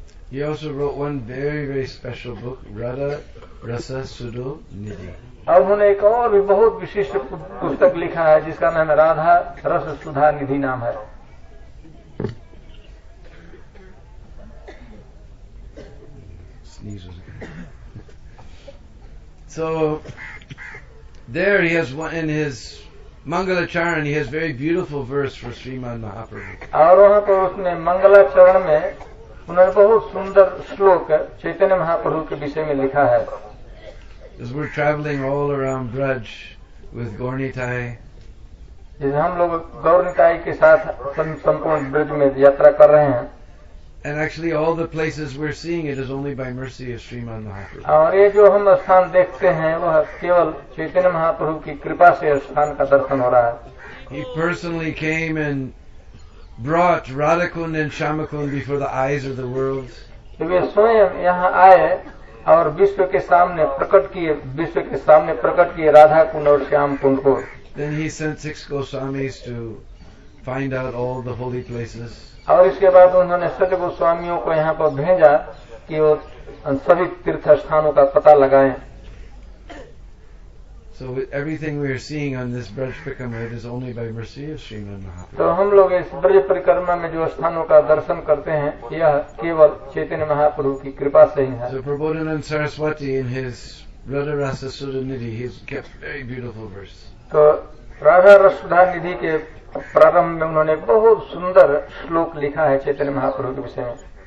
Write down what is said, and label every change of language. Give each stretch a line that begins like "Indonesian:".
English: He also wrote one very, very special book, Radha Rasa Sudo Nidhi.
Hindi: और उन्होंने एक और भी बहुत विशिष्ट पुस्तक लिखा है जिसका नाम है राधा रस सुधा निधि नाम है।
English: So there he has one in his Mangalacharan, he has very beautiful verse for Sriman Mahaprabhu.
Hindi: और वहां पर उसने मंगलाचरण में उन्होंने बहुत सुंदर श्लोक चैतन्य महाप्रभु के विषय में लिखा है।
English: As we're traveling all around Braj with Gornitai.
Hindi: जिस हम लोग गौरनिताई के साथ संपूर्ण ब्रज में यात्रा कर रहे हैं।
English: And actually, all the places we're seeing it is only by mercy of Sriman Mahaprabhu.
Hindi: और ये जो हम स्थान देखते हैं वह केवल चैतन्य महाप्रभु की कृपा से स्थान का दर्शन हो रहा है।
English: He personally came and brought Radhakund and Shyamakund before the eyes of the world.
Hindi: कि वे स्वयं यहाँ आए और विश्व के सामने प्रकट किए, विश्व के सामने प्रकट किए राधा कुंड और श्याम कुंड को.
English: Then he sent six Goswamis to find out all the holy places.
Hindi: और इसके बाद उन्होंने सत्य गोस्वामियों को यहाँ पर भेजा कि वो सभी तीर्थ स्थानों का पता लगाएं.
English: So everything we are seeing on this Braj Parikrama is only by mercy of Srimad Mahaprabhu.
Hindi: तो हम लोग इस ब्रज परिक्रमा में जो स्थानों का दर्शन करते हैं यह केवल चैतन्य महाप्रभु की कृपा से ही है.
English: So Prabodhananda Saraswati in his Radharasa Sudha Nidhi he has kept very beautiful verse.
Hindi: तो राधा रसुधा निधि के प्रारंभ में उन्होंने बहुत सुंदर श्लोक लिखा है चैतन्य महाप्रभु के विषय में.